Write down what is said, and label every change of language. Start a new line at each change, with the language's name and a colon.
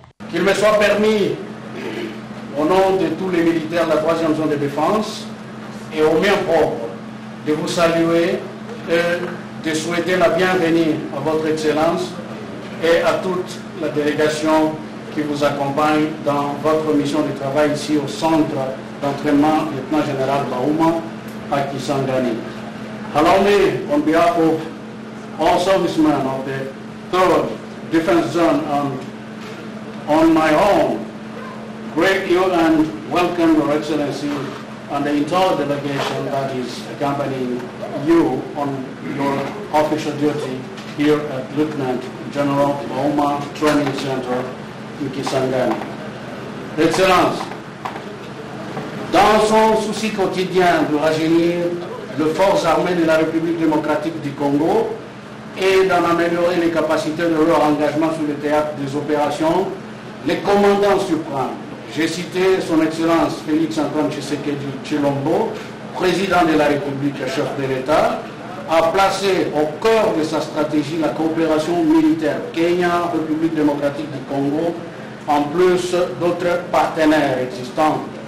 French: Qu'il me soit permis, au nom de tous les militaires de la 3e zone de défense, et au mien propre, de vous saluer et de souhaiter la bienvenue à votre Excellence et à toute la délégation qui vous accompagne dans votre mission de travail ici au centre d'entraînement lieutenant général Bauma à Kisangani.
English: Allow me, on behalf of all servicemen of the 3rd Defense Zone and on my own, greet you and welcome Your Excellency and the entire delegation that is accompanying you on your official duty here at Lieutenant General Bauma Training Center in Kisangani.
French: Excellence, dans son souci quotidien de rajeunir les forces armées de la République démocratique du Congo, et d'en améliorer les capacités de leur engagement sur le théâtre des opérations. Les commandants suprêmes, j'ai cité son Excellence Félix Antoine Tshisekedi Tshilombo, président de la République et chef de l'État, a placé au cœur de sa stratégie la coopération militaire Kenya, République démocratique du Congo, en plus d'autres partenaires existants.